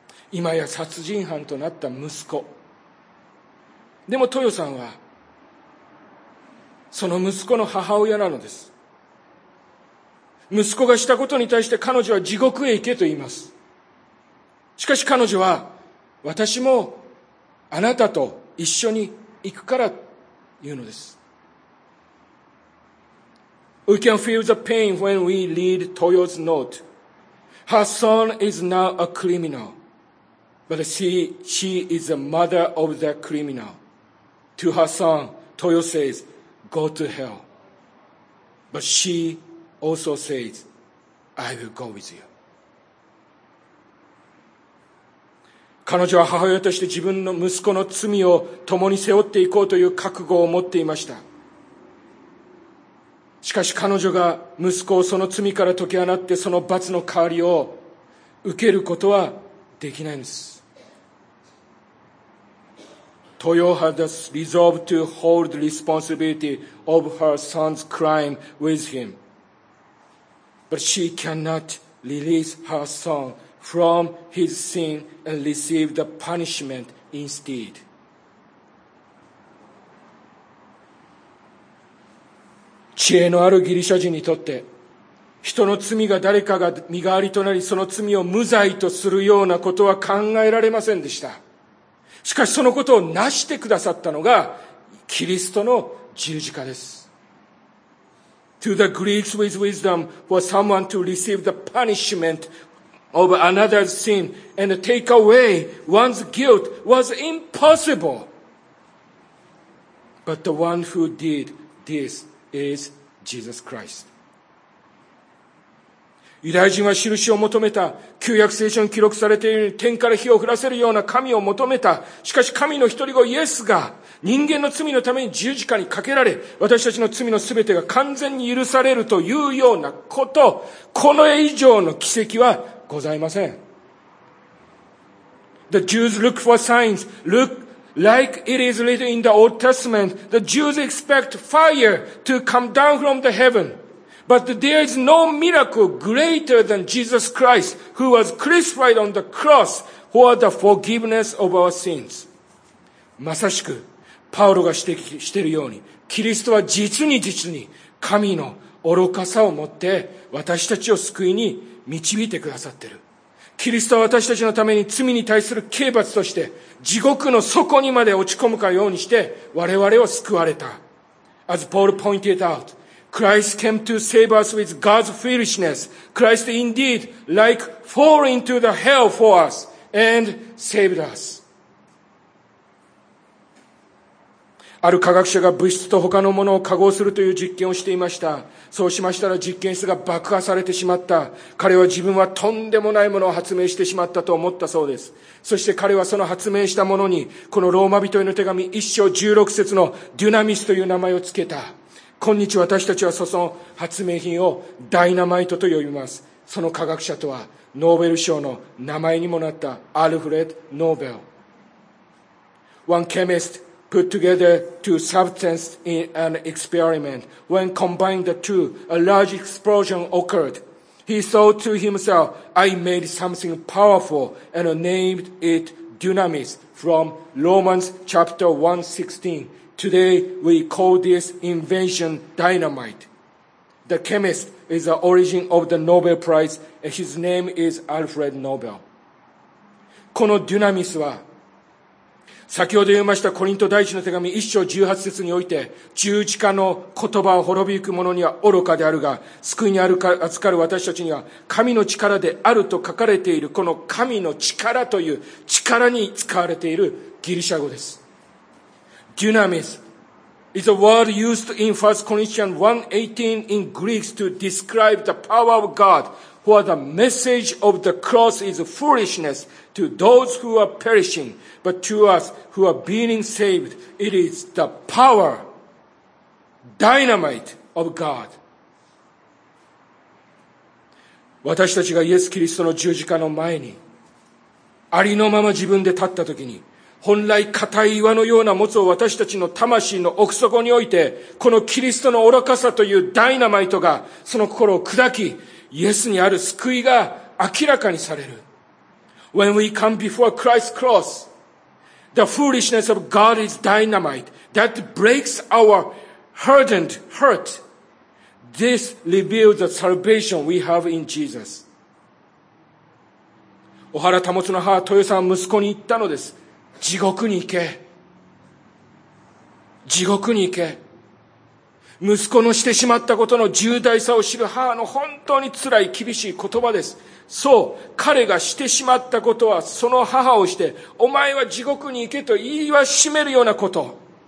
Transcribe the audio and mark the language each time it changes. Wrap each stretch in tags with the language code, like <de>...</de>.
<ja>今や殺人犯となった息子。でも豊さんは、その息子の母親なのです。息子がしたことに対して彼女は地獄へ行けと言います。しかし彼女は、私もあなたと一緒に行くから言うのです。</ja> <en>We can feel the pain when we read Toyo's note. Her son is now a criminal, but she is the mother of that criminal. To her son, Toyo says,Go to hell. But she also says, I will go with you.</en> <ja>彼女は母親として自分の息子の罪を共に背負っていこうという覚悟を持っていました。しかし彼女が息子をその罪から解き放ってその罰の代わりを受けることはできないんです。</ja> <en>Toyo had resolved to hold responsibility of her son's crime with him. But she cannot release her son from his sin and receive the punishment instead.</en> <ja>知恵のあるギリシャ人にとって、人の罪が誰かが身代わりとなり、その罪を無罪とするようなことは考えられませんでした。しかしそのことを成してくださったのが、キリストの十字架です。</ja> <en>To the Greeks with wisdom, for someone to receive the punishment of another's sin and take away one's guilt was impossible. But the one who did this is Jesus Christ.</en> <ja>ユダヤ人は印を求めた。旧約聖書に記録されているように天から火を降らせるような神を求めた。しかし神の一人子イエスが人間の罪のために十字架にかけられ、私たちの罪のすべてが完全に許されるというようなこと、この以上の奇跡はございません。</ja> <en>The Jews look for signs. Look like it is written in the Old Testament. The Jews expect fire to come down from the heavenBut there is no miracle greater than Jesus Christ who was crucified on the cross for the forgiveness of our sins.</en> <ja>まさしく、パウロが指摘しているように、キリストは実に実に神の愚かさをもって私たちを救いに導いてくださっている。キリストは私たちのために罪に対する刑罰として地獄の底にまで落ち込むかようにして我々を救われた。</ja> <en>As Paul pointed out,Christ came to save us with God's foolishness. Christ indeed like fall into the hell for us and saved us.</en> <ja>ある科学者が物質と他のものを化合するという実験をしていました。そうしましたら実験室が爆破されてしまった。彼は自分はとんでもないものを発明してしまったと思ったそうです。そして彼はその発明したものに、このローマ人への手紙一章十六節のデュナミスという名前をつけた。今日私たちはその発明品をダイナマイトと呼びます。その科学者とはノーベル賞の名前にもなったアルフレッド・ノーベル。</ja> <en>One chemist put together two substances in an experiment. When combined the two, a large explosion occurred. He thought to himself, I made something powerful and named it dynamis from Romans chapter 1:16. Today we call this invention dynamite. The chemist is the origin of the Nobel Prize and his name is Alfred Nobel.</en> <ja>このデュナミスは、先ほど言いましたコリント第一の手紙一章十八節において、十字架の言葉を滅びゆく者には愚かであるが、救いにあるか預かる私たちには神の力であると書かれている、この神の力という力に使われているギリシャ語です。</ja> <en>Dynamis is a word used in 1 Corinthians 1:18 in Greek to describe the power of God, for the message of the cross is foolishness to those who are perishing, but to us who are being saved, it is the power, dynamite of God.</en> <ja>私たちがイエス・キリストの十字架の前にありのまま自分で立ったときに、本来固い岩のようなもつを私たちの魂の奥底において、このキリストの愚かさというダイナマイトがその心を砕き、イエスにある救いが明らかにされる。</ja> <en>When we come before Christ's cross, the foolishness of God is dynamite that breaks our hardened heart. This reveals the salvation we have in Jesus.</en> <ja>小原保つの母豊さんは息子に言ったのです。地獄に行け。地獄に行け。息子のしてしまったことの重大さを知る母の本当に辛い厳しい言葉です。そう、彼がしてしまったことはその母をして、お前は地獄に行けと言いはしめるようなこと。</ja>